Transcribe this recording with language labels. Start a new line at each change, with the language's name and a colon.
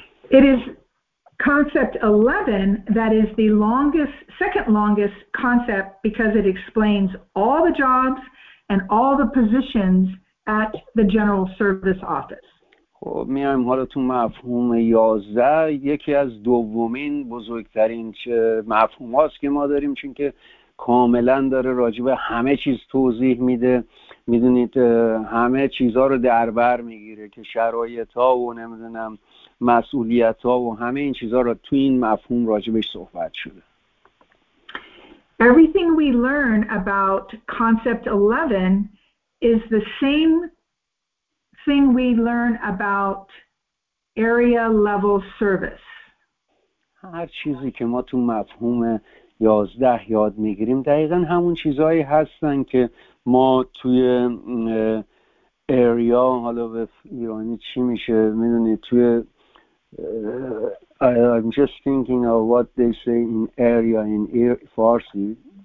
English: It is concept 11 that is the longest, second longest concept because it explains all the jobs and all the positions at the general service office.
Persian: خب میایم حالا تو مفهوم 11، یکی از دومین بزرگترین مفهوم هاست که ما داریم چون که کاملا داره راجع به همه چیز توضیح میده، میدونید همه چیزها رو در بر میگیره که شرایط ها و نمیدونم مسئولیت ها و همه این چیزها رو تو این مفهوم راجع بهش صحبت شده.
English: Everything we learn about concept 11 is the same thing we learn about area level service.
Persian: هر چیزی که ما تو مفهوم 11 یاد میگیریم دقیقاً همون چیزهایی هستن که ما توی area، حالا به ایرانی چی میشه میدونید، توی
English: I'm just thinking of what they say in area in Farsi.